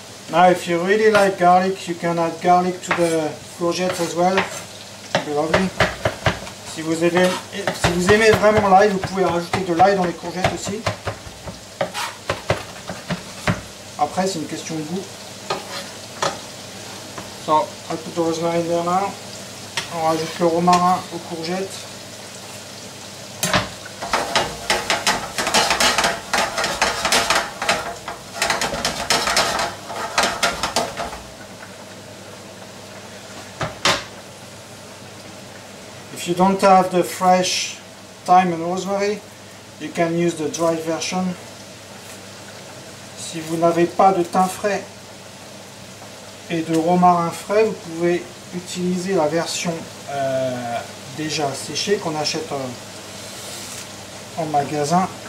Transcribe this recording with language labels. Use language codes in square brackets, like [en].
[en] Now, if you really like garlic, you can add garlic to the courgettes as well. It'll be lovely. [fr] Si vous aimez vraiment l'ail, vous pouvez rajouter de l'ail dans les courgettes aussi. Après, c'est une question de goût. [en] So, I'll put the rosemary in there now. [fr] On rajoute le romarin aux courgettes. [en] If you don't have the fresh thyme and rosemary, you can use the dry version. [fr] Si vous n'avez pas de thym frais et de romarin frais, vous pouvez utiliser la version déjà séchée qu'on achète en magasin.